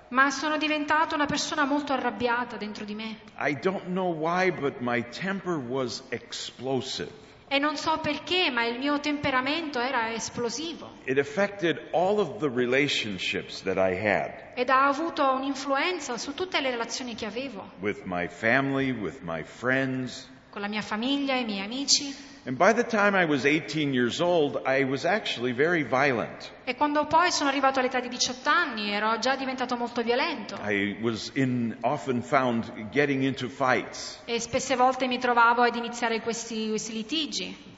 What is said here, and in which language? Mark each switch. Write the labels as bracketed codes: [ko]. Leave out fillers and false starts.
[it] Ma sono diventata una persona molto arrabbiata dentro di me. [en] I don't know why, but my temper was explosive. [it] E non so perché, ma il mio temperamento era esplosivo. [en] It affected all of the relationships that I had. [it] Ed ha avuto un'influenza su tutte le relazioni che avevo. [en] With my family, with my friends. [it] Con la mia famiglia e i miei amici. [en] And by the time I was 18 years old, I was actually very violent. [it] E quando poi sono arrivato all'età di 18 anni, ero già diventato molto violento. [en] I was often found getting into fights. [it] E spesse volte mi trovavo ad iniziare questi litigi.